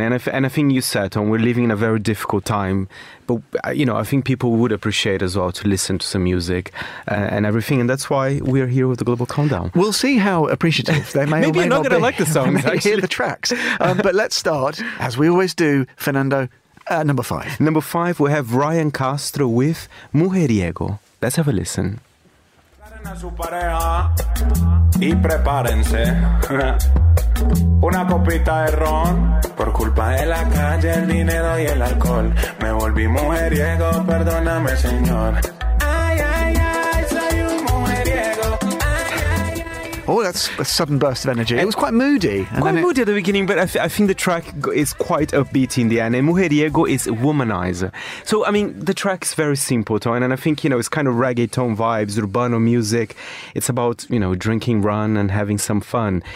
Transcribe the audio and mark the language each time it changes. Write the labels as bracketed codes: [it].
[en] And I think you said, Tom, we're living in a very difficult time. But, you know, I think people would appreciate as well to listen to some music and everything. And that's why we're here with the Global Countdown. We'll see how appreciative they may or may not be. Maybe you're not going to like the songs, actually. Hear the tracks. But let's start, as we always do, Fernando, number five. Number five, we have Ryan Castro with Mujeriego. Let's have a listen. [es] a su pareja y prepárense. Una copita de ron. Por culpa de la calle, el dinero y el alcohol. Me volví mujeriego, perdóname señor. Ay, ay, ay, soy un mujeriego. [en] Oh, that's a sudden burst of energy. It was quite moody. Moody at the beginning, but I think the track is quite upbeat in the end. And Mujeriego is womanizer. So, I mean, the track is very simple, Tone. And I think, you know, it's kind of reggaeton vibes, urbano music. It's about, you know, drinking rum and having some fun.